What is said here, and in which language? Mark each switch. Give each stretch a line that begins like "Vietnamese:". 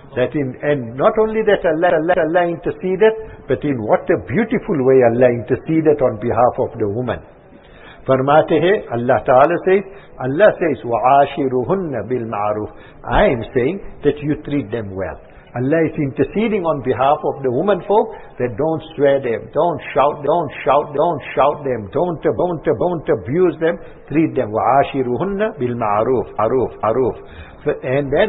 English: That in, and not only that Allah interceded, but in what a beautiful way Allah interceded on behalf of the woman.
Urdu: فرماتے ہیں اللہ تعالیٰ says, Allah says,
Arabic: وَعَاشِرُهُنَّ بِالْمَعْرُوفِ.
English: I am saying that you treat them well. Allah is interceding on behalf of the woman folk that don't swear them, don't shout them, don't abuse them, treat them.
Arabic: وَعَاشِرُهُنَّ بِالْمَعْرُوفِ. عَرُوف.